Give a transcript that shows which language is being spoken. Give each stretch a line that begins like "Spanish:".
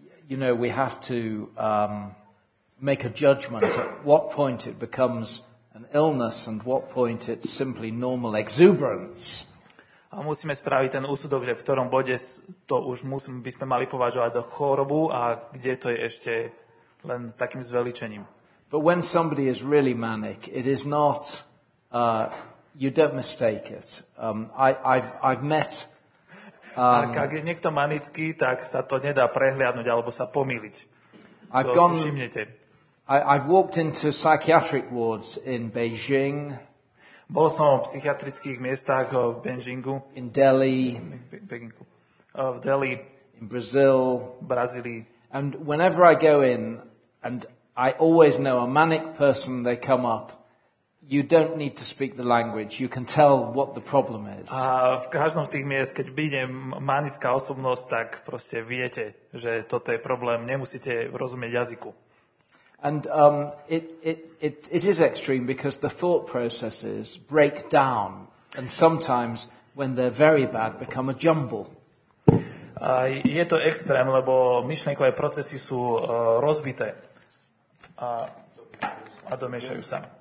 English: We have to make a judgment at what point it becomes an illness and what point it's simply normal exuberance.
Slovak: A musíme spraviť ten úsudok, že v ktorom bode to už by sme mali považovať za chorobu a kde to je ešte len takým zveličením.
English: But when somebody is really manic, it is not you don't mistake it. I've met
Slovak: Ak je niekto manický, tak sa to nedá prehliadnuť alebo sa pomýliť. Si všimnete.
English: I've walked into psychiatric wards in Beijing.
Slovak: Bol som v psychiatrických miestach v Beijingu.
English: In Delhi.
Slovak: V Delhi.
English: In Brazil.
Slovak: V Brazílii.
English: And whenever I go in and I always know a manic person, they come up. You don't need to speak the language. You can tell what the problem is.
Slovak: A v každom z tých miest, keď vidím manická osobnosť, tak proste viete, že toto je problém. Nemusíte rozumieť jazyku.
English: And it is extreme because the thought processes break down and sometimes when they're very bad become a jumble.
Slovak: A je to extrém, lebo myšlenkové procesy sú rozbité a domiešajú sa.